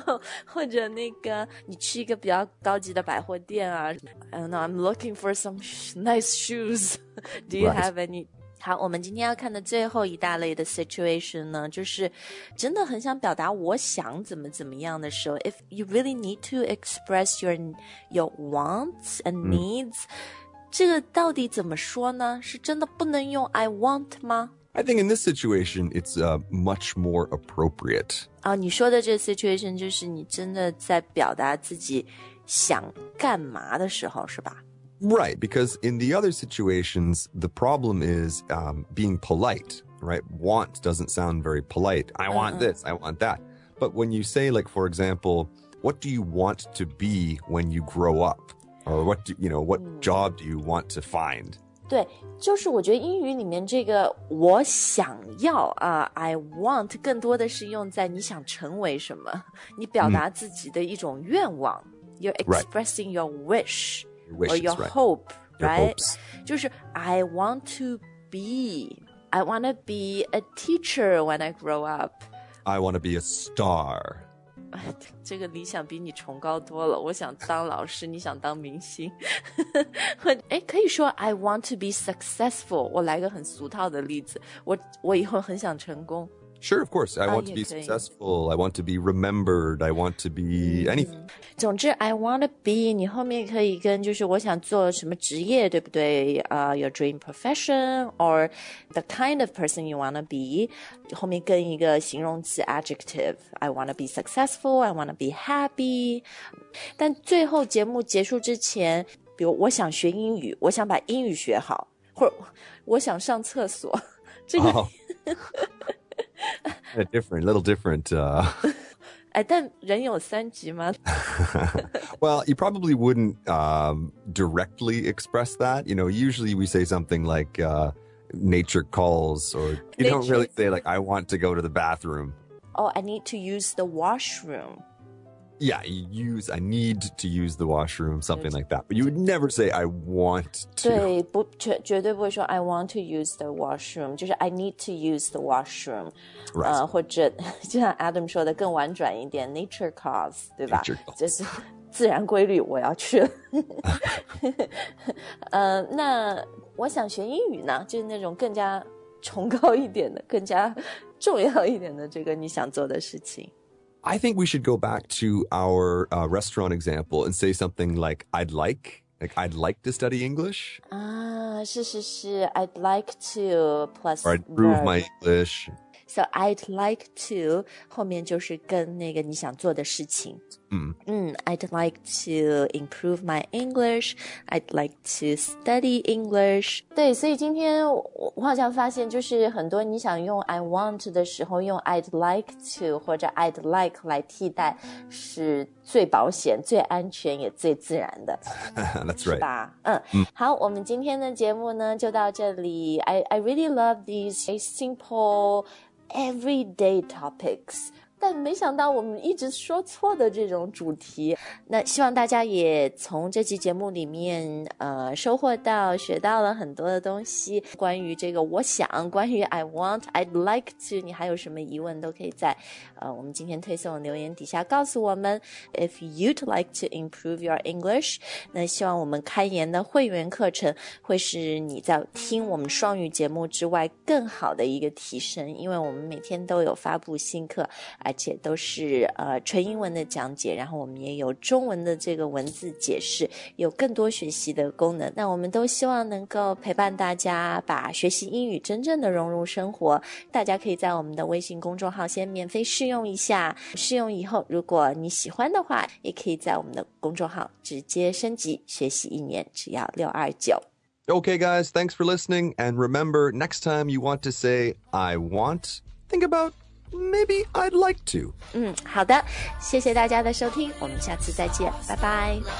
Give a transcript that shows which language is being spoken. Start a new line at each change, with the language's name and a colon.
Chinese: 后或者那个你去一个比较高级的百货店啊
English: I don't know, I'm looking for some nice shoes, do you have any?
Chinese: 好我们今天要看的最后一大类的 situation 呢就是真的很想表达我想怎么怎么样的时候
English: If you really need to express your wants and needs,
Chinese: 这个到底怎么说呢是真的不能用 I want 吗
English: I think in this situation, it's much more appropriate.
Chinese: 啊你说的这个 situation 就是你真的在表达自己想干嘛的时候是吧
English: Right, because in the other situations, the problem is being polite, right? Want doesn't sound very polite. I want this, I want that. But when you say, like, for example, what do you want to be when you grow up? Or what job do you want to find?
Chinese: 对，就是我觉得英语里面这个我想要啊、I want 更多的是用在你想成为什么，你表达自己的一种愿望。
English: You're expressing your wish. Wishes, or your right. hope, right? Your hopes. 就是 I want to be a teacher when I grow up. I want to be a star.
Chinese: 这个理想比你崇高多了，我想当老师，你想当明星。诶，可以说
English: I want to be successful，
Chinese: 我来个很俗套的例子，我以后很想成功。
English: Sure, of course. I want to be successful. I want to be remembered. I want to be anything.
Chinese: 总之 I want to be, 你后面可以跟就是我想做什么职业对不对、
English: your dream profession or the kind of person you want to be,
Chinese: 后面跟一个形容词 adjective.
English: I want to be successful. I want to be happy.
Chinese: 但最后节目结束之前，比如我想学英语，我想把英语学好，或者我想上厕所，这个、
English: oh. A different, a little different.
Chinese: 哎，但人有三级吗？
English: Well, you probably wouldn't, directly express that. You know, usually we say something like, nature calls, or you don't really say like, I want to go to the bathroom. Oh, I need to use the washroom. Yeah, I need to use the washroom, something like that. But you would never say, I want to.
Chinese: 对，不，绝对不会说
English: I want to use the washroom. 就是 I need to use the washroom. Right.
Chinese: 或者就像 Adam 说的更婉转一点
English: nature calls,
Chinese: 对吧？
English: Nature calls.
Chinese: 就是自然规律我要去了。那我想学英语呢，就是那种更加崇高一点的，更加重要一点的这个你想做的事情。
English: I think we should go back to our restaurant example and say something like, I'd like to study English. Ah,
Chinese: 是是是
English: I'd like to plus Or I'd improve my English. So I'd like to,
Chinese: 后面就是跟那个你想做的事情。
English: I'd like to improve my English. I'd like to study English.
Chinese: 对，所以今天我好像发现就是很多你想用 I want 的时候用 I'd like to 或者 I'd like 来替代是最保险最安全也最自然的。
English: That's right.
Chinese: 是吧？好，我们今天的节目呢就到这里。
English: I really love these simple everyday topics.
Chinese: 但没想到我们一直说错的这种主题，那希望大家也从这期节目里面收获到学到了很多的东西，关于这个我想，关于 I want, I'd like to, 你还有什么疑问都可以在我们今天推送的留言底下告诉我们。
English: If you'd like to improve your English,
Chinese: 那希望我们开言的会员课程会是你在听我们双语节目之外更好的一个提升，因为我们每天都有发布新课，而且都是纯英文的讲解，然后我们也有中文的这个文字解释，有更多学习的功能。那我们都希望能够陪伴大家把学习英语真正的融入生活。大家可以在我们的微信公众号先免费试用一下，试用以后如果你喜欢的话，也可以在我们的公众号直接升级学习一年，只要629。
English: Okay, guys, thanks for listening. And remember, next time you want to say I want, think aboutMaybe I'd like to.
Chinese: 好的，谢谢大家的收听，我们下次再见，拜拜。